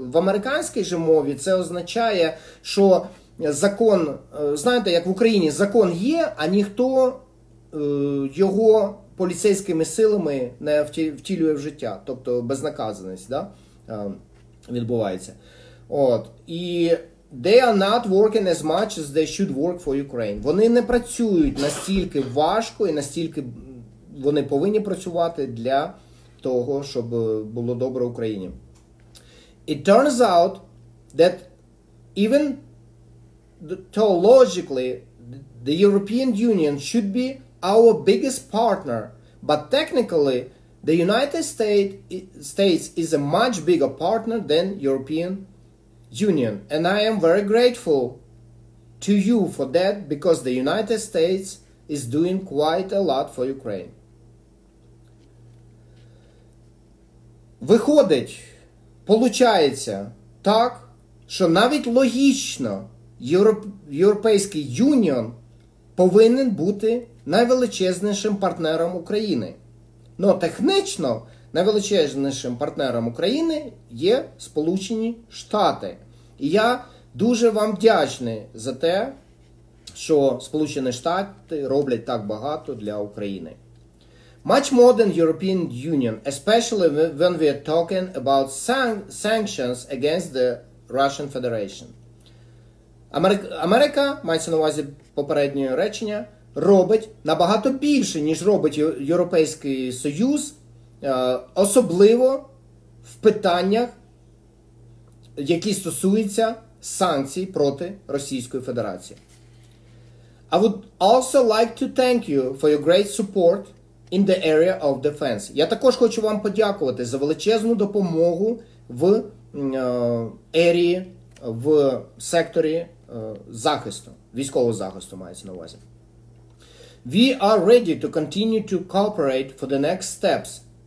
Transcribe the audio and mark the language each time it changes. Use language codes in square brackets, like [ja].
[uk] В американській же мові це означає, що закон, знаєте, як в Україні, закон є, а ніхто його поліцейськими силами не втілює в життя, тобто безнаказаність, да, відбувається. От. І [en] they are not working as much as they should work for Ukraine. [uk] Вони не працюють настільки важко і настільки вони повинні працювати для того, щоб було добре Україні. [en] It turns out that even theologically the European Union should be our biggest partner. But technically, the United States is a much bigger partner than European Union. And I am very grateful to you for that, because the United States is doing quite a lot for Ukraine. [uk] Виходить, получається так, що навіть логічно Європейський Union повинен бути найвеличезнішим партнером України. Ну, технічно найвеличезнішим партнером України є Сполучені Штати. І я дуже вам вдячний за те, що Сполучені Штати роблять так багато для України. [en] Much more than European Union, especially when we are talking about sanctions against the Russian Federation. [uk] Америка, мається на увазі попереднє речення, робить набагато більше, ніж робить Європейський Союз, особливо в питаннях, які стосуються санкцій проти Російської Федерації. [en] I would also like to thank you for your great support in the area of defense. [uk] Я також хочу вам подякувати за величезну допомогу в ерії, в секторі захисту, військового захисту мається на увазі. [en] We are ready to continue to cooperate for the next steps.